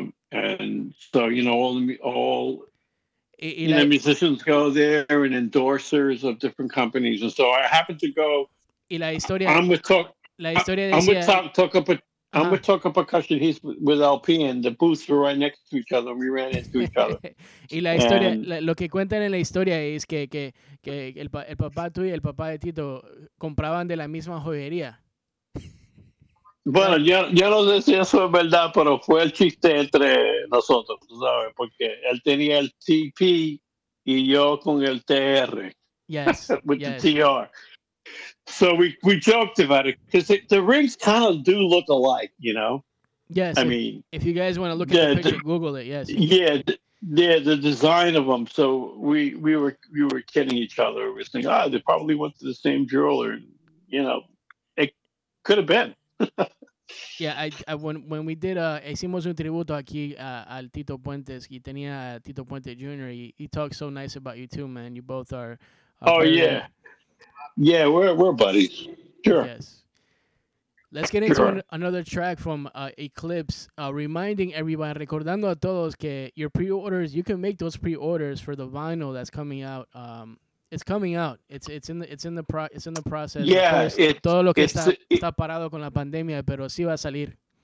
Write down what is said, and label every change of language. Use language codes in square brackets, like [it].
[en] And so, you know, all the musicians go there and endorsers of different companies. And so I happened to go. [es] Y la historia, [en] I'm with Toca. [es] La historia decía, [en] I'm with Toca Percussion. He's with LP, and the booths were right next to each other. We ran into each other. [es] Y la historia, lo que cuentan en la historia es que el papá tú y el papá de Tito compraban de la misma joyería. Bueno, yo no sé si eso es verdad, pero fue el chiste entre nosotros, ¿sabes? Porque él tenía el TP y yo con el TR. [en] Yes, with yes. The TR. So we joked about it, because the rings kind of do look alike, you know? Yes. I mean... If you guys want to look at the picture, Google it, yes. Yeah, the design of them. So we were kidding each other. We were thinking, they probably went to the same jeweler. You know, it could have been. Yeah, when we did [es] hicimos un tributo aquí al Tito Puentes, y tenía a Tito Puente Jr. [en] He talked so nice about you too, man. You both are. Yeah, we're buddies. Sure. Yes. Let's get into another track from Eclipse. Reminding everybody, [es] recordando a todos que [en] your pre-orders, you can make those pre-orders for the vinyl that's coming out. It's coming out. It's in the process. Yeah, [es] todo lo que está parado con la pandemia, pero sí va a salir.